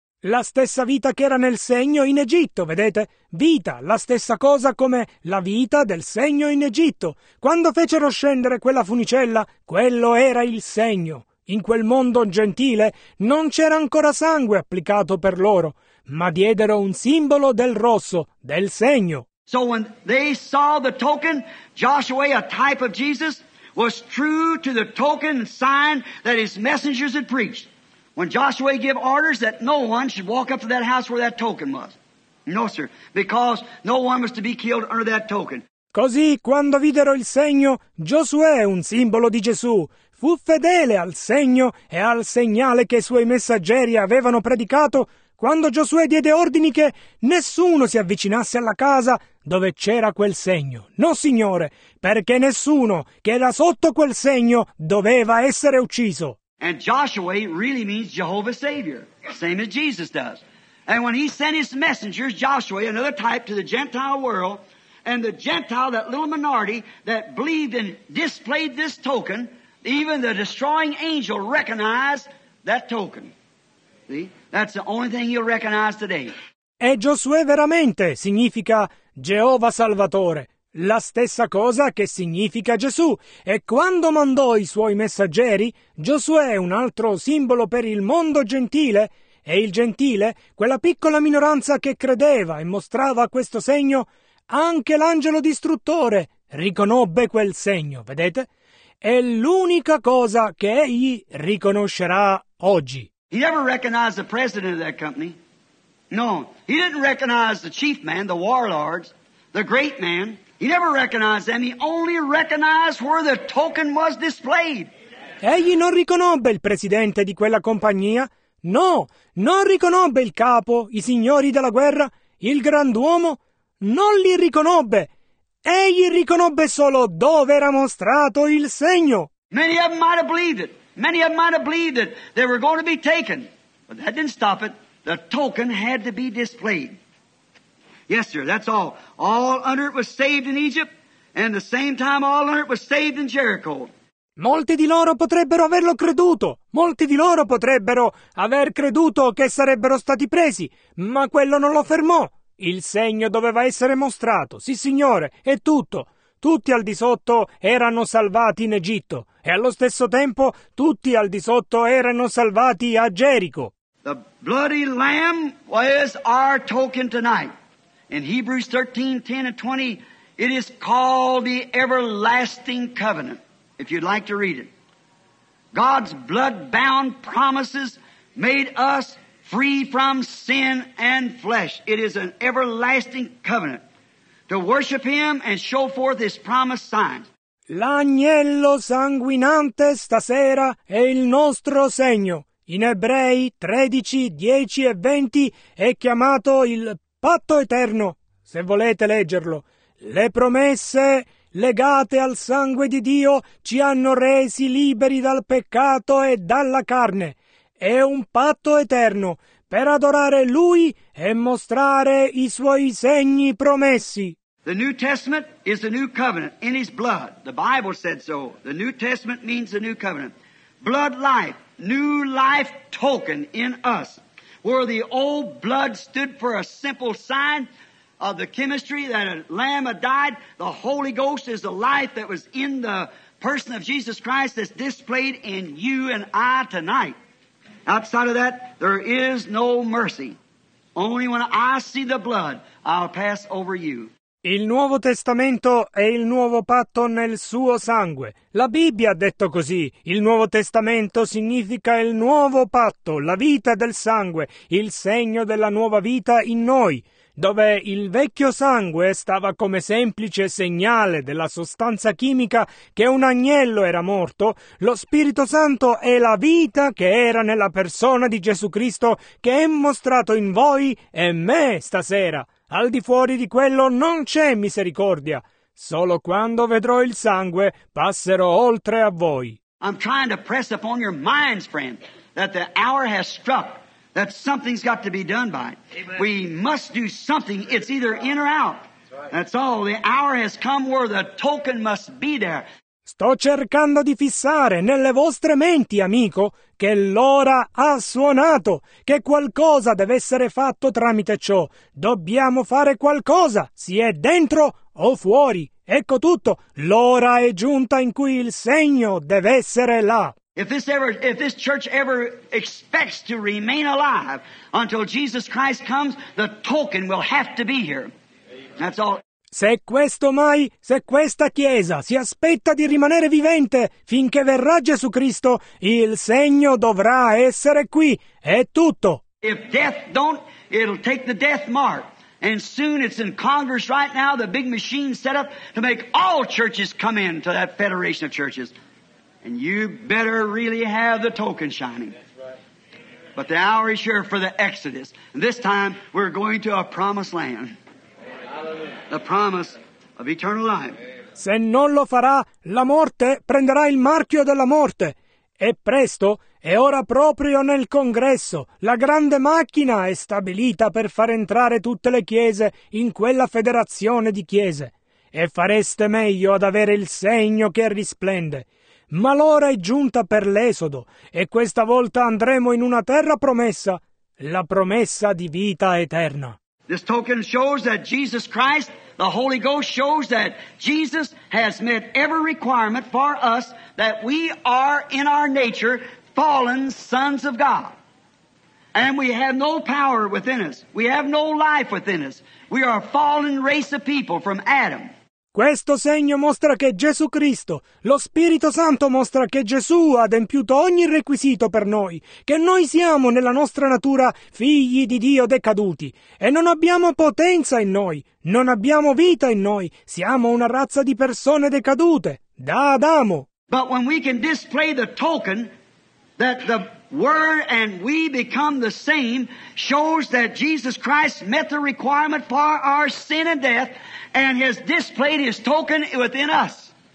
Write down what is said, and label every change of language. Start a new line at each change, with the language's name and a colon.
Italian: La stessa vita che era nel segno in Egitto, vedete? Vita, la stessa cosa come la vita del segno in Egitto. Quando fecero scendere quella funicella, quello era il segno. In quel mondo gentile non c'era ancora sangue applicato per loro, ma diedero un simbolo del rosso, del segno.
English: So when they saw the token, Joshua, a type of Jesus, was true to the token and sign that his messengers had preached. When Joshua gave orders that no one should walk up to that house where that token was. No, sir, because no one was to be killed under that token.
Italian: Così, quando videro il segno, Giosuè, un simbolo di Gesù, fu fedele al segno e al segnale che i suoi messaggeri avevano predicato, quando Giosuè diede ordini che nessuno si avvicinasse alla casa dove c'era quel segno. No, signore, perché nessuno che era sotto quel segno doveva essere ucciso.
English: And Joshua really means Jehovah Savior, same as Jesus does. And when he sent his messengers, Joshua, another type, to the Gentile world, and the Gentile, that little minority that believed and displayed this token, even the destroying angel recognized that token. See? That's the only thing he'll recognize today.
Italian: E Giosuè veramente significa Geova Salvatore, la stessa cosa che significa Gesù. E quando mandò i suoi messaggeri, Giosuè è un altro simbolo per il mondo gentile. E il gentile, quella piccola minoranza che credeva e mostrava questo segno, anche l'angelo distruttore riconobbe quel segno, vedete? È l'unica cosa che egli riconoscerà oggi.
English: He never recognized the president of that company. No, he didn't recognize the chief man, the warlords, the great man. He never recognized them. He only recognized where the token was displayed.
Italian: Egli non riconobbe il presidente di quella compagnia. No, non riconobbe il capo, i signori della guerra, il grand'uomo, non li riconobbe. Egli riconobbe solo dove era mostrato il segno.
English: Many of them might have believed it. Many of them might have believed that they were going to be taken. But that didn't stop it. The token had to be displayed. Yes, sir, that's all. All under it was saved in Egypt, and the same time all under it was saved in Jericho.
Italian: Molti di loro potrebbero averlo creduto, molti di loro potrebbero aver creduto che sarebbero stati presi, ma quello non lo fermò. Il segno doveva essere mostrato, sì signore, è tutto. Tutti al di sotto erano salvati in Egitto, e allo stesso tempo tutti al di sotto erano salvati a Gerico.
English: The bloody lamb was our token tonight. In Hebrews 13, 10 and 20, it is called the everlasting covenant. If you'd like to read it, God's blood-bound promises made us free from sin and flesh. It is an everlasting covenant to worship Him and show forth His promised signs.
Italian: L'agnello sanguinante stasera è il nostro segno. In Ebrei 13, 10 e 20 è chiamato il patto eterno, se volete leggerlo. Le promesse legate al sangue di Dio ci hanno resi liberi dal peccato e dalla carne. È un patto eterno per adorare Lui e mostrare i Suoi segni promessi.
English: The New Testament is the new covenant in His blood. The Bible said so. The New Testament means the new covenant. Blood life, new life token in us. Where the old blood stood for a simple sign of the chemistry that a lamb had died, the Holy Ghost is the life that was in the person of Jesus Christ that's displayed in you and I tonight. Outside of that, there is no mercy. Only when I see the blood, I'll pass over you.
Italian: Il Nuovo Testamento è il nuovo patto nel suo sangue. La Bibbia ha detto così. Il Nuovo Testamento significa il nuovo patto, la vita del sangue, il segno della nuova vita in noi. Dove il vecchio sangue stava come semplice segnale della sostanza chimica che un agnello era morto, lo Spirito Santo è la vita che era nella persona di Gesù Cristo che è mostrato in voi e me stasera. Al di fuori di quello non c'è misericordia. Solo quando vedrò il sangue passerò oltre a voi.
English: I'm trying to press upon your minds, friend, that the hour has struck. That something's got to be done by it. Amen. We must do something. It's either in or out. That's all. The hour has come where the token must be there.
Italian: Sto cercando di fissare nelle vostre menti, amico, che l'ora ha suonato, che qualcosa deve essere fatto tramite ciò. Dobbiamo fare qualcosa, sia dentro o fuori. Ecco tutto. L'ora è giunta in cui il segno deve essere là.
English: If this church ever expects to remain alive until Jesus Christ comes, the token will have to be here. That's all.
Italian: Se questa chiesa si aspetta di rimanere vivente finché verrà Gesù Cristo, il segno dovrà essere qui. È tutto.
English: If death don't, it'll take the death mark. And soon it's in Congress right now, the big machine set up to make all churches come in to that federation of churches. And you better really have the token shining. But the hour is here for the Exodus. And this time, we're going to a promised land. The promise of eternal life.
Italian: Se non lo farà, la morte prenderà il marchio della morte. E presto, e ora proprio nel congresso, la grande macchina è stabilita per far entrare tutte le chiese in quella federazione di chiese. E fareste meglio ad avere il segno che risplende. Ma l'ora è giunta per l'esodo, e questa volta andremo in una terra promessa, la promessa di vita eterna.
English: This token shows that Jesus Christ, the Holy Ghost, shows that Jesus has met every requirement for us, that we are in our nature fallen sons of God. And we have no power within us. We have no life within us. We are a fallen race of people from Adam.
Italian: Questo segno mostra che Gesù Cristo, lo Spirito Santo mostra che Gesù ha adempiuto ogni requisito per noi, che noi siamo nella nostra natura figli di Dio decaduti, e non abbiamo potenza in noi, non abbiamo vita in noi, siamo una razza di persone decadute, da Adamo.
English: But when we can display the token that the Word and we become the same shows that Jesus Christ met the requirement for our sin and death and has displayed his token within us.